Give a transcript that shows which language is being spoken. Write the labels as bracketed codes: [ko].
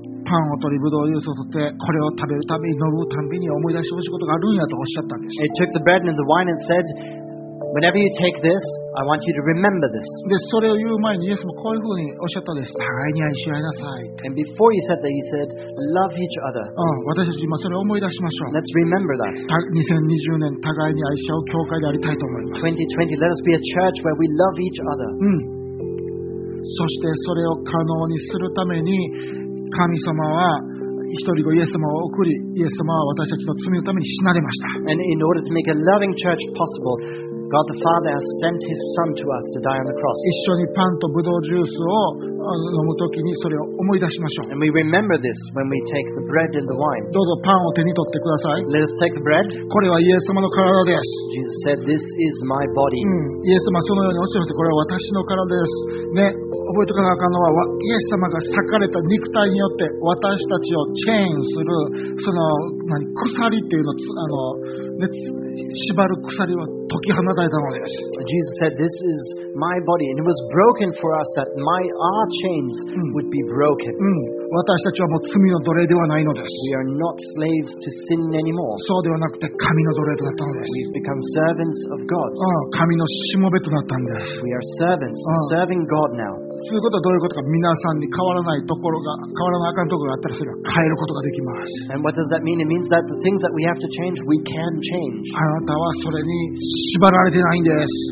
[ja] パンを取り、ブドウを取って、これを食べるたび、飲むたびに思い出してほしいことがあるんやとおっしゃったんです。 [en] It took the bread and the wine and said, whenever you take this, I want you to remember this. [ja] で、それを言う前にイエス様はこういうふうにおっしゃったんです。互いに愛し合いなさい。 [en] And before he said that, he said,Love each other. [ja] 私たち今それを思い出しましょう。 [en] Let's remember that. [ja] 2020年互いに愛し合う教会でありたいと思います。 [en] 2020, let us be a church where we love each other. [ja] そしてそれを可能にするために神様は一人子イエス様を送り、イエス様は私たちの罪のために死なれました。 [en] And in order to make a loving church possible, God the Father has sent His Son to us to die on the cross. [ja] 一緒にパンとブドウジュースを飲むときにそれを思い出しましょう。 [en] And we remember this when we take the bread and the wine. [ja] どうぞパンを手に取ってください。 [en] Let us take the bread. [ja] これはイエス様の体です。 [en] Jesus said, "This is my body." [ja] イエス様はそのようにおっしゃって、これは私の体です。ね。覚えておかなあかんのは、イエス様が裂かれた肉体によって私たちをチェーンする、その何、鎖っていうの、あの、ね、縛る鎖を解き放たれたのです。 [en] Jesus said, "This is my body, and it was broken for us that my our chains would be broken." [ja] 私たちはもう罪の奴隷ではないのです。 [en] We are not slaves to sin anymore. [ja] そうではなくて神の奴隷となったのです。 [en] We've become servants of God. [ja] 神のしもべとなったんです。 [en] We are servants serving God now. [ja] そういうことはどういうことか、皆さんに変わらないところが、変わらなあかんところがあったら、それは変えることができます。 [en] And what does that mean? It means that the things that we have to change, we can change. [ja] あなたはそれに縛られてないんです。